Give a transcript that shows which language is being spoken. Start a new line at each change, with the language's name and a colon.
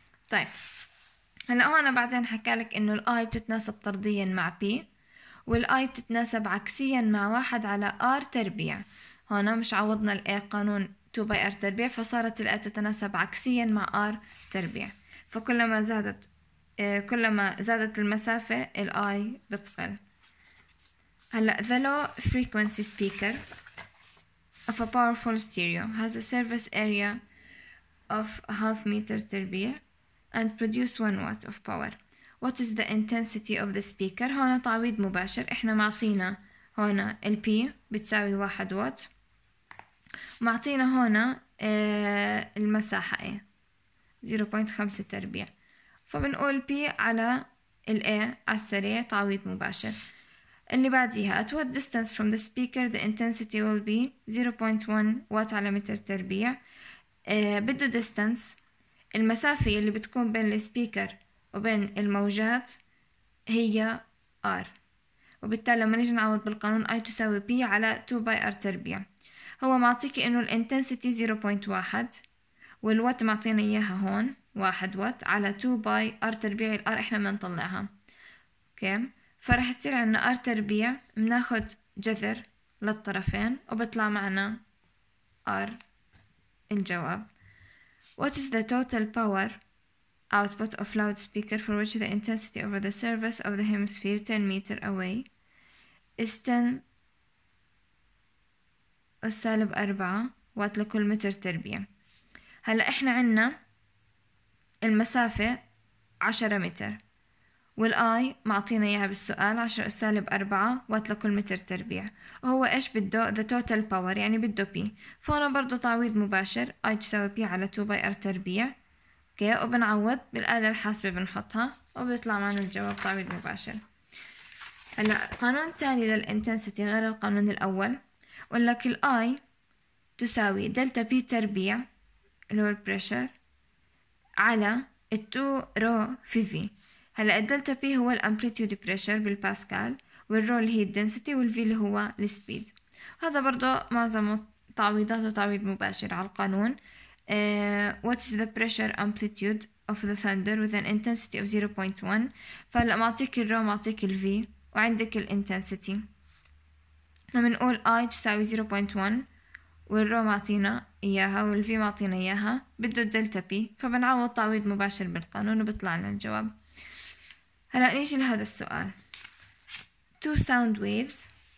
Arabic: طيب هلأ هون بعدين حكالك انه الـ I بتتناسب طرديا مع P، والـ I بتتناسب عكسيا مع 1 على R تربيع. هون مش عوضنا الـ A قانون 2 باي R تربيع، فصارت الـ A تتناسب عكسيا مع R تربيع. فكلما زادت كلما زادت المسافة الـ I بتقل.
English: هلأ the low frequency speaker of a powerful stereo has a surface area of a half meter تربيع and produce 1 watt of power. What is the intensity of the speaker؟
Arabic: هون تعويض مباشر، احنا معطينا هون الـ P بتساوي 1 watt، معطينا هون المساحة A 0.5 تربيع، فبنقول P على الـ A على السريع تعويض مباشر. اللي بعديها
English: at what distance from the speaker the intensity will be 0.1 watt
Arabic: على متر تربيع. بده distance، المسافة اللي بتكون بين السبيكر وبين الموجات هي R، وبالتالي لما نيجي نعوض بالقانون I تساوي P على 2 by R تربيع. هو معطيك انه ال intensity 0.1 والوات معطينا اياها هون 1 watt على 2 by R تربيع، ال R احنا منطلعها. اوكي، فرح تصير عنا R تربيع، بناخد جذر للطرفين وبطلع معنا R الجواب.
English: What is the total power output of loudspeaker for which the intensity over the surface of the hemisphere 10 meter away is
Arabic: 10 سالب 4 وات لكل متر تربيع؟ هلا احنا عنا المسافة 10 متر والآي معطينا إياها بالسؤال 10 سالب 4 وات لكل متر تربيع، وهو إيش بده؟
English: the total power
Arabic: يعني بده P. فهنا برضو تعويض مباشر I تساوي P على 2 by R تربيع، okay. وبنعوض بالآلة الحاسبة بنحطها وبيطلع معنا الجواب تعويض مباشر. هلأ قانون تاني لل intensity غير القانون الأول، وقال لك الـ I تساوي دلتا P تربيع اللي هو الـ pressure على 2 رو في V. هلأ الدلتا P هو الـ amplitude pressure بالباسكال، والرو اللي هي الـ density، والفي اللي هو الـ speed. هذا برضو معظم تعويضات وتعويض مباشر على القانون.
English: What is the pressure amplitude of the thunder with an intensity of 0.1؟
Arabic: فهلأ معطيك الرو، معطيك الفي، وعندك
English: الـ intensity.
Arabic: فمنقول I تساوي 0.1 والرو معطينا إياها والفي معطينا إياها، بده الدلتا P، فبنعوض تعويض مباشر بالقانون وبيطلع لنا الجواب. هلأ نيجي لهذا السؤال.
English: Two sound waves